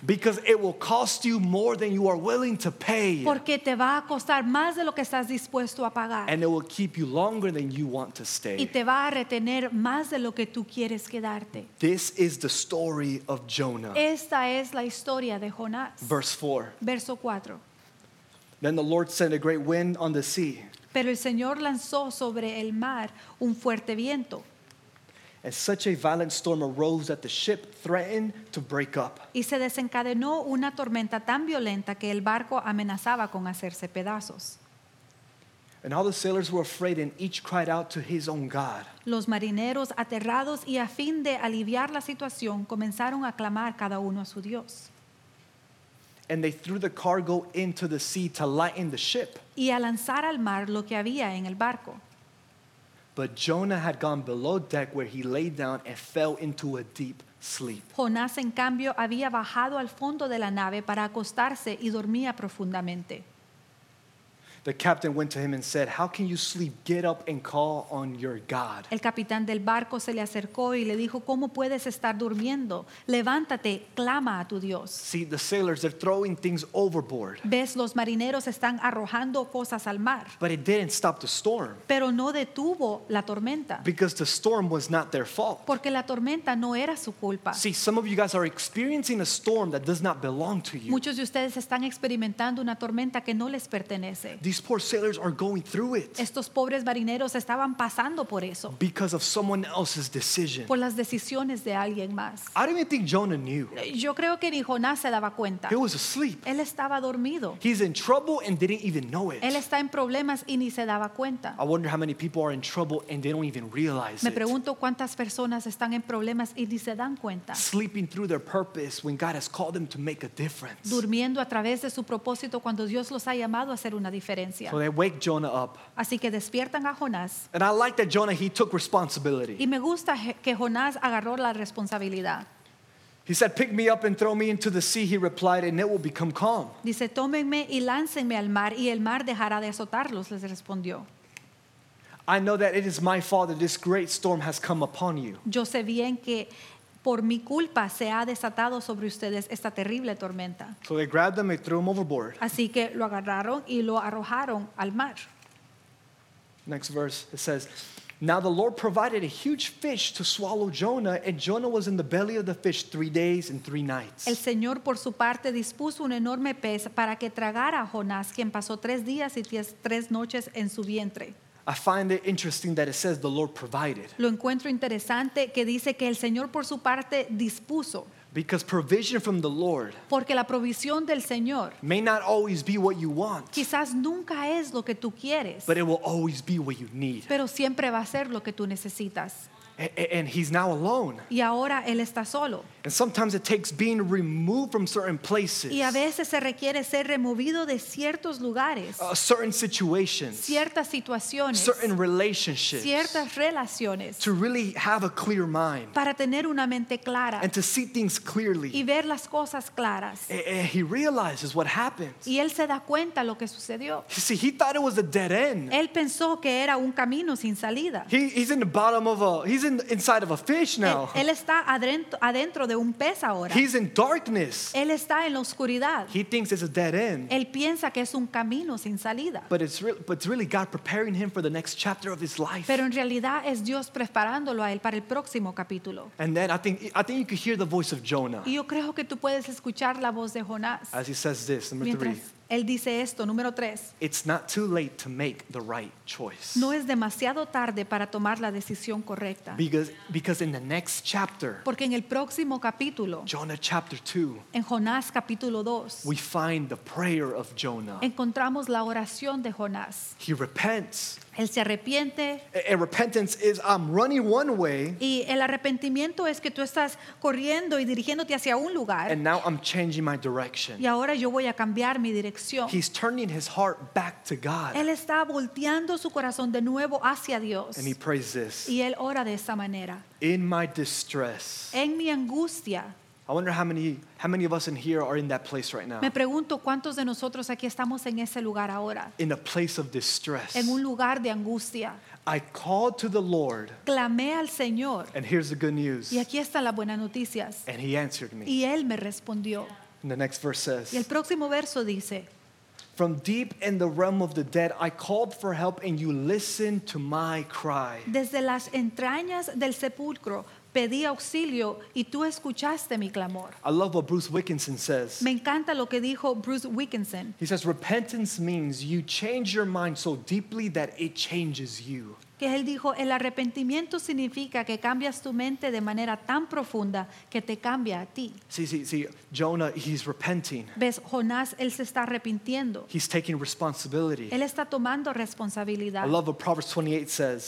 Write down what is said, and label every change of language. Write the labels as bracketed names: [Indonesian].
[English] Because it will cost you more than you are willing to pay. [Spanish] Porque te va a costar más de lo que estás dispuesto a pagar. [English] And it will keep you longer than you want to stay. [Spanish] Y te va a retener más de lo que tú quieres quedarte. [English] This is the story of Jonah. [Spanish] Esta es la historia de Jonás. [English] Verse 4. [Spanish] Verso 4. [English] Then the Lord sent a great wind on the sea. [Spanish] Pero el Señor lanzó sobre el mar un fuerte viento. [English] And such a violent storm arose that the ship threatened to break up. [Spanish] Y se desencadenó una tormenta tan violenta que el barco amenazaba con hacerse pedazos. [English] And all the sailors were afraid and each cried out to his own God. [Spanish] Los marineros aterrados y a fin de aliviar la situación comenzaron a clamar cada uno a su Dios. [English] And they threw the cargo into the sea to lighten the ship. [Spanish] Y a lanzar al mar lo que había en el barco. [English] But Jonah had gone below deck where he lay down and fell into a deep sleep. [Spanish] Jonás, en cambio, había bajado al fondo de la nave para acostarse y dormía profundamente. [English] The captain went to him and said, "How can you sleep? Get up and call on your God." [Spanish] El capitán del barco se le acercó y le dijo, "¿Cómo puedes estar durmiendo? Levántate, clama a tu Dios." [English] See, the sailors, they're throwing things overboard. [Spanish] Ves, los marineros están arrojando cosas al mar. [English] But it didn't stop the storm. [Spanish] Pero no detuvo la tormenta. [English] Because the storm was not their fault. [Spanish] Porque la tormenta no era su culpa. [English] See, some of you guys are experiencing a storm that does not belong to you. [Spanish] Muchos de ustedes están experimentando una tormenta que no les pertenece. [English] These poor sailors are going through it. [Spanish] Estos pobres marineros estaban pasando por eso. [English] Because of someone else's decision. [Spanish] Por las decisiones de alguien más. [English] I don't even think Jonah knew. [Spanish] Yo creo que ni Jonás se daba cuenta. [English] He was asleep. [Spanish] Él estaba dormido. [English] He's in trouble and didn't even know it. [Spanish] Él está en problemas y ni se daba cuenta. [English] I wonder how many people are in trouble and they don't even realize it. [Spanish] Me pregunto cuántas personas están en problemas y ni se dan cuenta. [English] Sleeping through their purpose when God has called them to make a difference. [Spanish] Durmiendo a través de su propósito cuando Dios los ha llamado a hacer una diferencia. [English] So they wake Jonah up. [Spanish] Así que despiertan a Jonás. [English] And I like that Jonah, he took responsibility. [Spanish] Y me gusta que Jonás agarró la responsabilidad. [English] He said, "Pick me up and throw me into the sea," he replied, "and it will become calm." [Spanish] Dice, "Tómenme y láncenme al mar y el mar dejará de azotarlos," les respondió. [English] I know that it is my fault that this great storm has come upon you. [Spanish] Yo sé bien que por mi culpa se ha desatado sobre ustedes esta terrible tormenta. [English] So they grabbed them and threw them overboard. [Spanish] Así que lo agarraron y lo arrojaron al mar. [English] Next verse, it says, "Now the Lord provided a huge fish to swallow Jonah, and Jonah was in the belly of the fish 3 days and 3 nights." [Spanish] El Señor, por su parte, dispuso un enorme pez para que tragara a Jonás, quien pasó 3 días y 3 noches en su vientre. [English] I find it interesting that it says the Lord provided. [Spanish] Lo encuentro interesante que dice que el Señor por su parte dispuso. [English] Because provision from the Lord. [Spanish] Porque la provisión del Señor. [English] May not always be what you want. [Spanish] Quizás nunca es lo que tú quieres. [English] But it will always be what you need. [Spanish] Pero siempre va a ser lo que tú necesitas. [English] And he's now alone. [Spanish] Y ahora él está solo. [English] And sometimes it takes being removed from certain places. [Spanish] Y a veces se requiere ser removido de ciertos lugares. [English] Certain situations. [Spanish] Ciertas situaciones. [English] Certain relationships. [Spanish] Ciertas relaciones. [English] To really have a clear mind. [Spanish] Para tener una mente clara. [English] And to see things clearly. [Spanish] Y ver las cosas claras. [English] And he realizes what happens. [Spanish] Y él se da cuenta lo que sucedió. [English] See, he thought it was a dead end. [Spanish] Él pensó que era un camino sin salida. [English] He's in the bottom of a... He's inside of a fish now. [Spanish] Él está adentro de un pez ahora. [English] He's in darkness. [Spanish] Él está en la oscuridad. [English] He thinks it's a dead end. [Spanish] Él piensa que es un camino sin salida. [English] But it's really God preparing him for the next chapter of his life. [Spanish] Pero en realidad es Dios preparándolo a él para el próximo capítulo. [English] And then I think you could hear the voice of Jonah. [Spanish] Y yo creo que tú puedes escuchar la voz de Jonás. [English] As he says this, number [Spanish] Mientras [English] three. [Spanish] Él dice esto, número tres. [English] It's not too late to make the right choice. [Spanish] No es demasiado tarde para tomar la decisión correcta. [English] Because in the next chapter. [Spanish] Porque en el próximo capítulo. [English] Jonah chapter 2. [Spanish] En Jonás capítulo 2. [English] We find the prayer of Jonah. [Spanish] Encontramos la oración de Jonás. [English] He repents. [Spanish] Él se arrepiente. [English] And repentance is I'm running one way. [Spanish] Y el arrepentimiento es que tú estás corriendo y dirigiéndote hacia un lugar. [English] And now I'm changing my direction. [Spanish] Y ahora yo voy a cambiar mi dirección. [English] He's turning his heart back to God. [Spanish] Él está volteando su corazón de nuevo hacia Dios. [English] And he prays this. [Spanish] Y él ora de esta manera. [English] In my distress. [Spanish] En mi angustia. [English] I wonder how many of us in here are in that place right now. [Spanish] Me pregunto cuántos de nosotros aquí estamos en ese lugar ahora. [English] In a place of distress. [Spanish] En un lugar de angustia. [English] I called to the Lord. [Spanish] Clamé al Señor. [English] And here's the good news. [Spanish] Y aquí están las buenas noticias. [English] And he answered me. [Spanish] Y él me respondió. [English] And the next verse says. [Spanish] Y el próximo verso dice. [English] From deep in the realm of the dead, I called for help, and you listened to my cry. [Spanish] Desde las entrañas del sepulcro. Pedí auxilio y tú escuchaste mi clamor. [English] I love what Bruce Dickinson says. [Spanish] Me encanta lo que dijo Bruce Dickinson. [English] He says, repentance means you change your mind so deeply that it changes you. [Spanish] Que él dijo, el arrepentimiento significa que cambias tu mente de manera tan profunda que te cambia a ti. Sí, [English] Jonah, he's repenting. [Spanish] Ves, Jonás, él se está arrepintiendo. [English] He's taking responsibility. [Spanish] Él está tomando responsabilidad. [English] I love what Proverbs 28 says.